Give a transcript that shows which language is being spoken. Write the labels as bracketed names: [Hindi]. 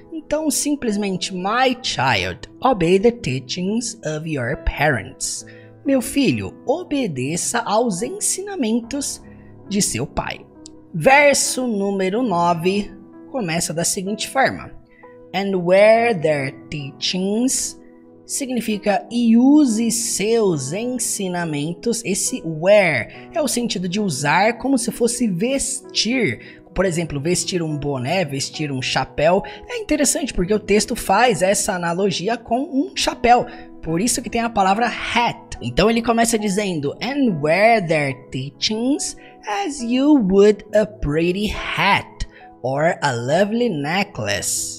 [Portuguese] Então, simplesmente, [English] my child, obey the teachings of your parents. [Portuguese] Meu filho, obedeça aos ensinamentos de seu pai. Verso número 9 começa da seguinte forma. [English] And wear their teachings [Portuguese] significa e use seus ensinamentos. Esse wear é o sentido de usar como se fosse vestir. Por exemplo, vestir um boné, vestir um chapéu. É interessante porque o texto faz essa analogia com um chapéu. Por isso que tem a palavra hat. Então ele começa dizendo, [English] and wear their teachings as you would a pretty hat or a lovely necklace.